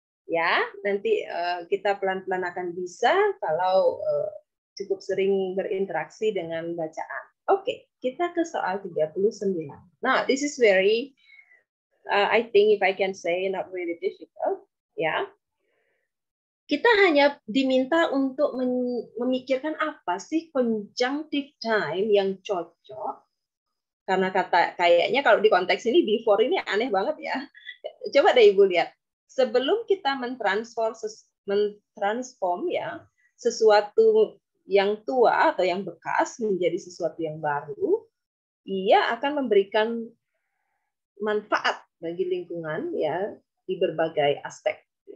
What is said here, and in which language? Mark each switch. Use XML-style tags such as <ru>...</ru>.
<id>Ya, nanti kita pelan-pelan akan bisa kalau cukup sering berinteraksi dengan bacaan. Oke, kita ke soal 39.</id> <en>Now, this is very I think if I can say not really difficult.</en> <id>Ya, kita hanya diminta untuk memikirkan apa sih conjunctive time yang cocok, karena kata kayaknya kalau di konteks ini before ini aneh banget ya. Coba deh Ibu lihat, sebelum kita mentransform ya sesuatu yang tua atau yang bekas menjadi sesuatu yang baru, ia akan memberikan manfaat bagi lingkungan ya di berbagai aspek.</id>